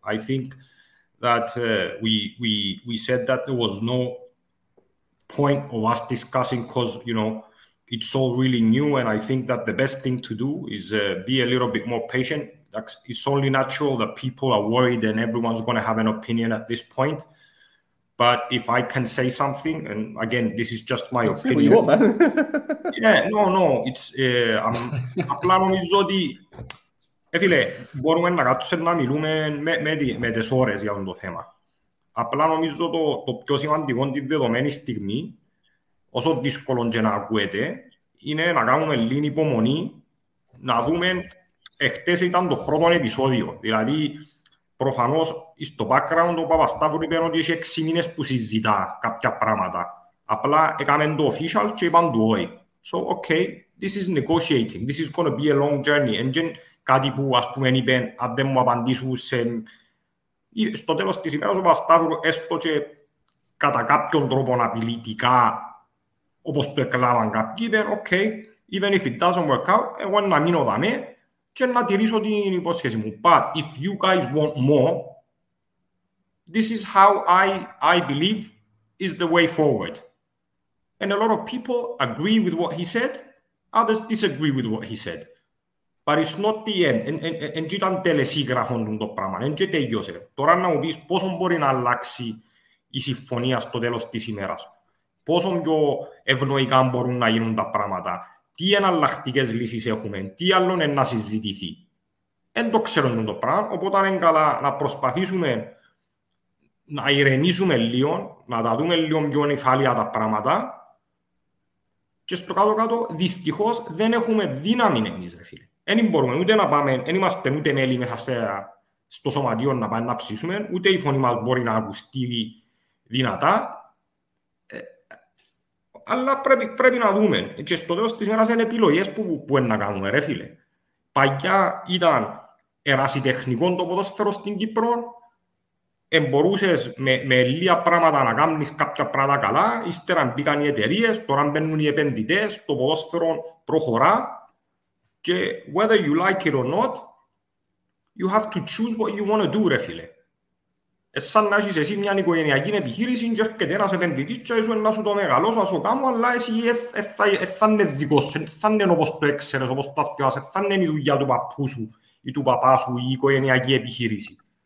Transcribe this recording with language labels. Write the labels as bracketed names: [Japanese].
[English] I think that we said that there was no point of us discussing because, you know, it's all really new. And I think that the best thing to do is be a little bit more patient. It's only natural that people are worried and everyone's going to have an opinion at this point. But if I can say something, and again, this is just my opinion. What you want, man. Yeah, no. It's [Greek] απλά νομίζω ότι, φίλε, μπορούμε να κάτσουμε να μιλούμε με τις ώρες για το θέμα. Απλά νομίζω το πιο σημαντικό τη δεδομένη στιγμή, όσο δύσκολο και να ακούεται, είναι να κάνουμε λίγη υπομονή, να δούμε, εχθές ήταν το πρώτο επεισόδιο, δηλαδή... Προφανώς, στο background, ο Παπασταύρου είπε ότι έχει 6 μήνες που συζητά κάποια πράγματα. Απλά έκανε το official και είπαν του όχι. [English] So, okay, this is negotiating. This is going to be a long journey. And then, [Greek] κάτι που, ας πούμε, είπε, αν δεν μου απαντήσουν σε... Στο τέλος της ημέρας, ο Παπασταύρου έστω και κατά κάποιον τρόπο απειλητικά, όπως το εκλάβαν κάποιοι, είπε, [English] okay, even if it doesn't work out, [Greek] εγώ να μείνω δαμέ. Και να τηρήσω την υπόσχεση μου. [English] But if you guys want more, this is how I believe is the way forward. And a lot of people agree with what he said. Others disagree with what he said. But it's not the end. And [Greek] ήταν τελεσίγραφον το πράγμα. And και τέλειωσε. Τώρα να μου πεις πόσο μπορεί να αλλάξει η συμφωνία στο τέλος της ημέρας. Πόσο πιο ευνοϊκά μπορούν να γίνουν τα πράγματα. Τι εναλλακτικές λύσεις έχουμε, τι άλλο είναι να συζητηθεί. Δεν το ξέρουμε το πράγμα, οπότε είναι καλά να προσπαθήσουμε να ηρεμήσουμε λίγο, να τα δούμε λίγο πιο νυφάλια τα πράγματα. Και στο κάτω-κάτω, δυστυχώς, δεν έχουμε δύναμη εμείς, ρε φίλε. Δεν μπορούμε ούτε να πάμε, δεν είμαστε ούτε μέλη μέσα στο σωματείο να πάμε να ψήσουμε, ούτε η φωνή μας μπορεί να ακουστεί δυνατά. Αλλά πρέπει να δούμε. Και στο τέλος της μέρας είναι επιλογές που είναι να κάνουμε, ρε φίλε. Παγιά ήταν ερασιτεχνικό το ποδόσφαιρο στην Κύπρο. Εμπορούσες με λίγα πράγματα να κάνεις κάποια πράγματα καλά. Ύστερα μπήκαν οι εταιρείες, τώρα μπαίνουν οι επενδυτές, το ποδόσφαιρο προχωρά. Και [English] whether you like it or not, you have to choose what you want to do, [Greek] ρε φίλε. Σαν να έχεις εσύ μια οικογενειακή επιχείρηση και έρχεται ένας επενδυτής και σου να σου το μεγαλώσω, να σου κάνω, αλλά εσύ θα είναι δικός σου, θα είναι όπως το έξερες, όπως το αφιάς, θα είναι η δουλειά του παππού σου ή του παπά σου ή η οικογενειακή επιχείρηση.